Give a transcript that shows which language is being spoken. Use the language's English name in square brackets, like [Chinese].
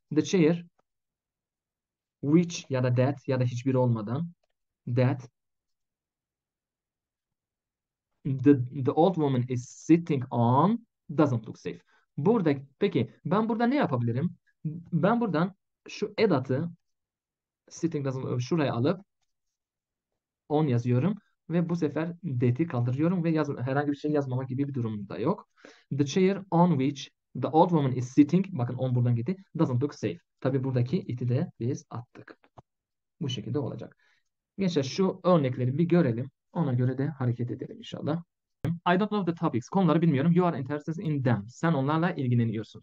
[English] The chair which ya da that [Turkish] ya da hiçbir olmadan [English] that the old woman is sitting on doesn't look safe. [Turkish] Burada peki ben burada ne yapabilirim? Ben buradan şu edatı sitting doesn't şuraya alıp on yazıyorum. Ve bu sefer that'i kaldırıyorum ve herhangi bir şey yazmamak gibi bir durum da yok. [English] The chair on which the old woman is sitting, [Turkish] bakın on buradan gitti, [English] doesn't look safe. [Turkish] Tabii buradaki it'i de biz attık. Bu şekilde olacak. Geçelim şu örnekleri bir görelim. Ona göre de hareket edelim inşallah. [English] I don't know the topics. [Turkish] Konuları bilmiyorum. [English] You are interested in them. [Turkish] Sen onlarla ilgileniyorsun.